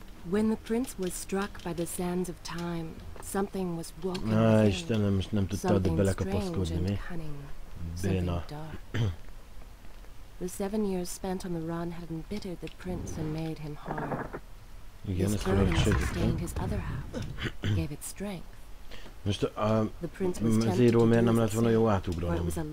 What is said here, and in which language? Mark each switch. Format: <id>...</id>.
<en>When the prince was struck by the sands of time, something was walking.</en> <hu>Istenem, most nem tudtad belekapaszkodni, mi? Béna.</hu> <en>The 7 years spent on the run had embittered the prince and made him hard.</en> <hu>Igen, ez valami sötétség.</hu> <en>His other half gave it strength.</en> <hu>Most a zéró miért nem lett volna jó átugranom?</hu>